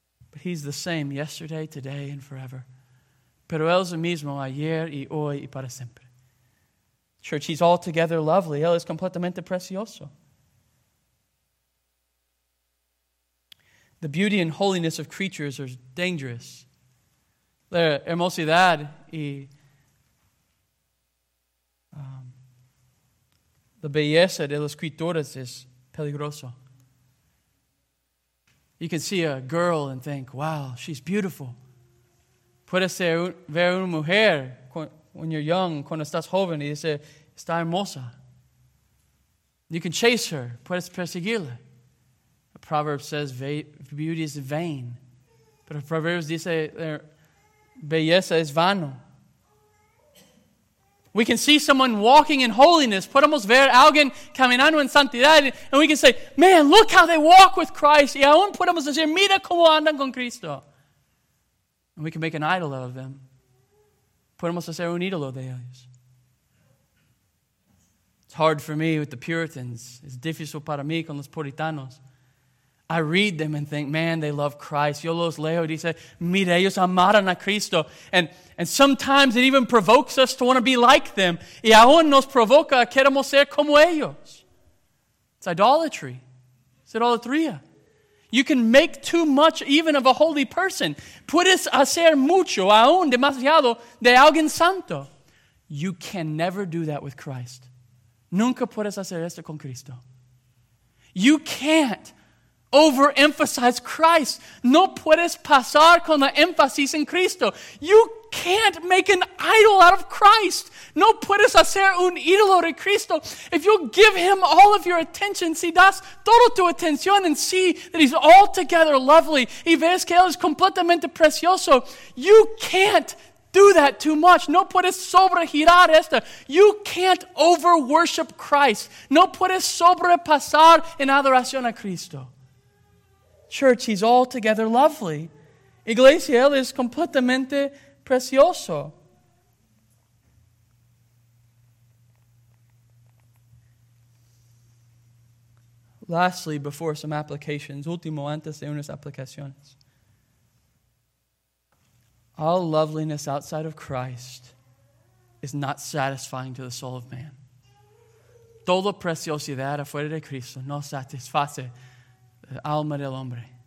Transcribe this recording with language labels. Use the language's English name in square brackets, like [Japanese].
[English] But he's the same yesterday, today, and forever. [Spanish] Pero él es el mismo ayer y hoy y para siempre. [English] Church, he's altogether lovely. [Spanish] Él es completamente precioso. [English] The beauty and holiness of creatures are dangerous. [Spanish] La hermosidad y la belleza de las criaturas es peligroso. [English] You can see a girl and think, wow, she's beautiful. [Spanish] Puedes ver una mujer [English] when you're young, [Spanish] cuando estás joven, y dice, está hermosa. [English] You can chase her. [Spanish] Puedes perseguirla. [English] A proverb says, beauty is vain. But a proverb [Spanish] dice, belleza es vano. [English] We can see someone walking in holiness. [Spanish] Podemos ver alguien caminando en santidad. [English] And we can say, man, look how they walk with Christ. [Spanish] Y aún podemos decir, mira cómo andan con Cristo. [English] And we can make an idol out of them. [Spanish] Podemos hacer un ídolo de ellos. [English] It's hard for me with the Puritans. It's [Spanish] difícil para mí con los puritanos. [English] I read them and think, man, they love Christ. [Spanish] Yo los leo y dice, mira, ellos amaron a Cristo. [English] And sometimes it even provokes us to want to be like them. [Spanish] Y aún nos provoca a queremos ser como ellos. [English] It's idolatry. It's idolatría. You can make too much even of a holy person. [Spanish] Puedes hacer mucho, aún demasiado, de alguien santo. [English] You can never do that with Christ. [Spanish] Nunca puedes hacer esto con Cristo. [English] You can't overemphasize Christ. [Spanish] No puedes pasar con la énfasis en Cristo. [English] You can't make an idol out of Christ. [Spanish] No puedes hacer un ídolo de Cristo. [English] If you'll give him all of your attention, [Spanish] si das todo tu atención [English] and see that he's altogether lovely, [Spanish] y ves que él es completamente precioso, [English] you can't do that too much. [Spanish] No puedes sobregirar esto. [English] You can't over-worship Christ. [Spanish] No puedes sobrepasar en adoración a Cristo. [English] Church, he's altogether lovely. [Spanish] Iglesia, él es completamente precioso. [English] Lastly, before some applications, [Spanish] último antes de unas aplicaciones. [English] All loveliness outside of Christ is not satisfying to the soul of man. [Spanish] Toda preciosidad afuera de Cristo no satisface la alma del hombre.